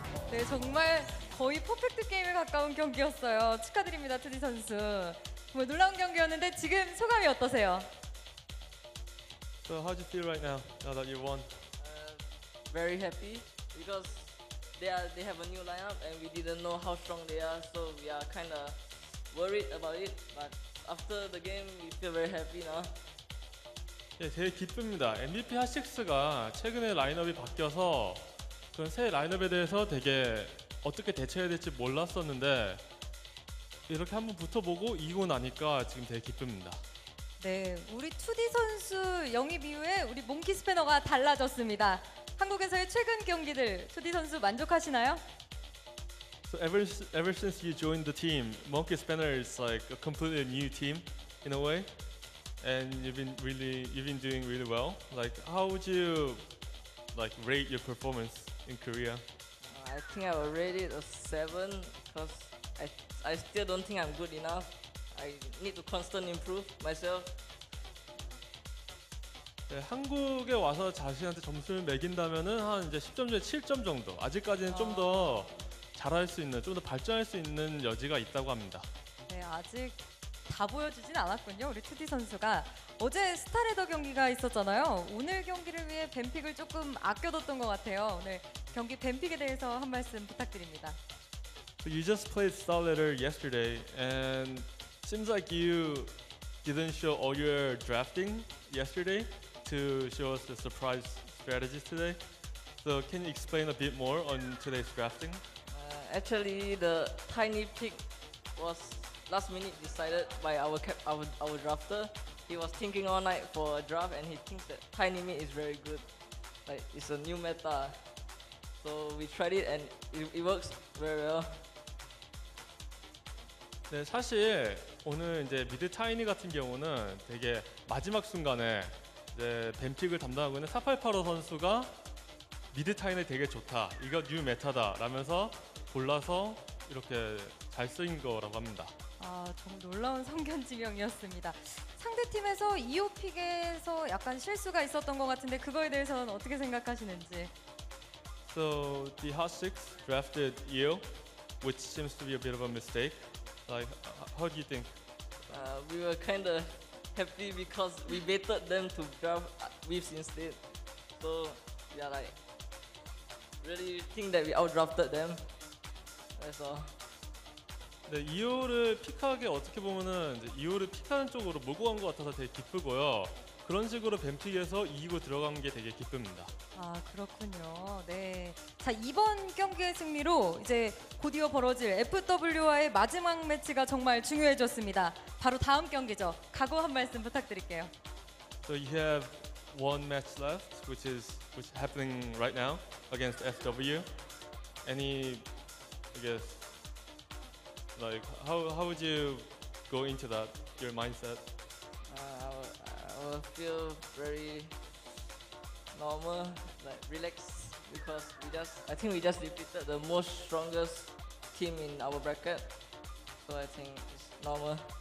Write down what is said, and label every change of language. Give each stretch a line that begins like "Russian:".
Korean: 네, 정말 거의 퍼펙트 게임에 가까운 경기였어요. 축하드립니다, 2D 선수. 정말 놀라운 경기였는데 지금 소감이 어떠세요?
English: So how do you feel right now? Now that you won. Very happy because they have a new lineup and we didn't know how strong they are. So we are kind of worried about it, but after the game we feel very happy now.
Korean: 예, 되게 기쁩니다. MVP 핫6가 최근에 라인업이 바뀌어서 그런 새 라인업에 대해서 되게 어떻게 대처해야 될지 몰랐었는데 이렇게 한번 붙어보고 이기고 나니까 지금 되게 기쁩니다. 네, 우리 2D 선수 영입 이후에 우리 몽키 스패너가 달라졌습니다. 한국에서의 최근 경기들 2D 선수 만족하시나요?
English: So ever since you joined the team, Monkey Spanner is like a completely new team in a way, and you've been doing really well. Like, how would you like rate your performance in Korea? I think I rated a 7 because I still don't think I'm good enough. I need to constantly improve myself.
Korean: 네, 한국에 와서 자신한테 점수를 매긴다면은 한 이제 10점 중에 7점 정도. 아직까지는 좀 더 잘할 수 있는, 좀 더 발전할 수 있는 여지가 있다고 합니다. 네, 아직 다 보여주진 않았군요. 우리 2D 선수가 어제 스타레더 경기가 있었잖아요. 오늘 경기를 위해 뱀픽을 조금 아껴뒀던 것 같아요. 오늘 경기 뱀픽에 대해서 한 말씀 부탁드립니다.
English: So you just played Starletter yesterday, and seems like you didn't show all your drafting yesterday to show us the surprise strategy today. So can you explain a bit more on today's drafting? Actually, the tiny pick was last minute decided by our drafter. He was thinking all night for a draft, and he thinks that tiny meat is very good. Like, it's a new meta. So we tried it, and it works very well.
Korean: 네, 사실 오늘 이제 미드 타이니 같은 경우는 되게 마지막 순간에 이제 뱀픽을 담당하고 있는 4885 선수가 미드 타이니 되게 좋다, 이거 뉴 메타다 라면서 골라서 이렇게 잘 쓰인 거라고 합니다. 아, 정말 놀라운 성견지명이었습니다. 상대팀에서 2호 픽에서 약간 실수가 있었던 것 같은데 그거에 대해서는 어떻게 생각하시는지?
English: So the Hot Six drafted you, which seems to be a bit of a mistake. Like, how do you think? We were kind of happy because we baited them to draft Weaves instead. So, yeah, like, really think that we outdrafted them. That's all.
Korean: 네, 2호를 픽하게 어떻게 보면은 이제 2호를 픽하는 쪽으로 몰고 간 것 같아서 되게 기쁘고요. 그런 식으로 뱀픽에서 2호 들어간 게 되게 기쁩니다. 아, 그렇군요. 네. 자, 이번 경기의 승리로 이제 곧이어 벌어질 FW와의 마지막 매치가 정말 중요해졌습니다. 바로 다음 경기죠. 각오 한 말씀 부탁드릴게요.
English: So you have one match left, which is happening right now against FW. Any, I guess, like, how would you go into that, your mindset? I will feel very normal, like relaxed, because I think we just defeated the most strongest team in our bracket, so I think it's normal.